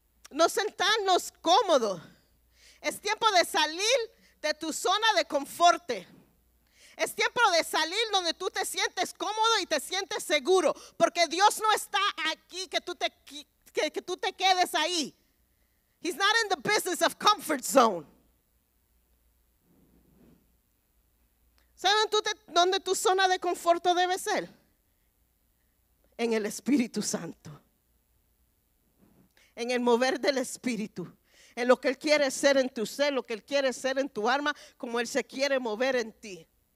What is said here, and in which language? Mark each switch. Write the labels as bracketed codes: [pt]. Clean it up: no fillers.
[es] No sentarnos cómodos. Es tiempo de salir de tu zona de confort. Es tiempo de salir donde tú te sientes cómodo y te sientes seguro. Porque Dios no está aquí que tú te quedes ahí. [en] He's not in the business of comfort zone. [es] ¿Sabes dónde tu zona de confort debe ser? En el Espíritu Santo. En el mover del Espíritu, en lo que Él quiere ser en tu ser, lo que Él quiere ser en tu alma, como Él se quiere mover en ti.